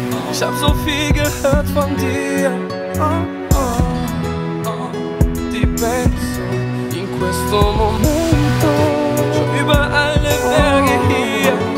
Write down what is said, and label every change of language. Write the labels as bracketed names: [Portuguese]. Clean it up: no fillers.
[German] Ich hab so viel gehört von dir. [Italian] Ti penso in questo momento. [German] Schon über alle Berge hier.